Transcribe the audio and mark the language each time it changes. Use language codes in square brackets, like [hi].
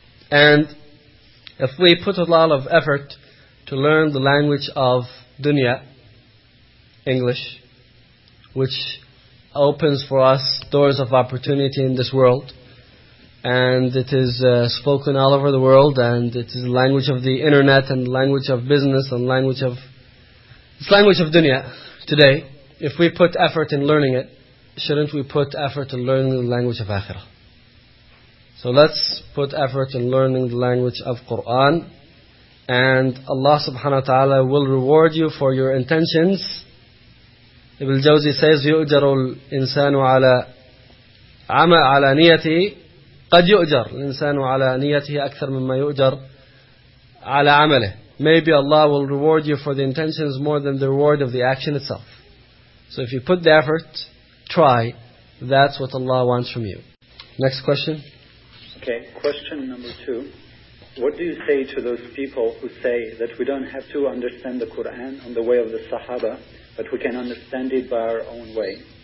[en] And if we put a lot of effort to learn the language of dunya, English, which opens for us doors of opportunity in this world, and it is spoken all over the world, and it is the language of the internet, and the language of business, and language of it's language of dunya today. If we put effort in learning it, shouldn't we put effort in learning the language of akhirah? So let's put effort in learning the language of Quran, and Allah subhanahu wa ta'ala will reward you for your intentions. Ibn al-Jawzi says, [ar] يُؤْجَرُ الْإِنسَانُ عَلَى عَمَى عَلَى نِيَتِهِ قَدْ يُؤْجَرُ الْإِنسَانُ عَلَى نِيَتِهِ أَكْثَر مِمَّا يُؤْجَرُ عَلَى عَمَلِهِ. [en] Maybe Allah will reward you for the intentions more than the reward of the action itself. So if you put the effort, try, that's what Allah wants from you. Next question. Okay, question number two. What do you say to those people who say that we don't have to understand the Qur'an on the way of the Sahaba, but we can understand it by our own way?